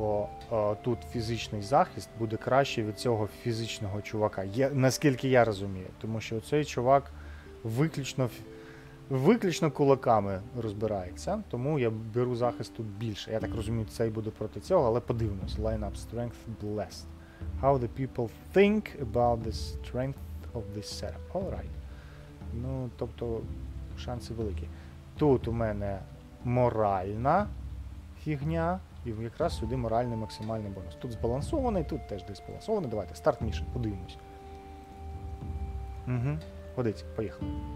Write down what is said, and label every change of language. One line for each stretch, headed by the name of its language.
Ukrainian: бо тут фізичний захист буде краще від цього фізичного чувака. Наскільки я розумію, тому що цей чувак виключно кулаками розбирається, тому я беру захист тут більше. Я так розумію, цей буде проти цього, але подивимось.
English: Lineup strength blessed. How the people think about the strength of this setup. All right.
Ukrainian: Ну, тобто, шанси великі. Тут у мене моральна фігня, і якраз сюди моральний максимальний бонус. Тут збалансований, тут теж десь збалансований. Давайте, старт мішен, подивимось. Угу, годиться, поїхали.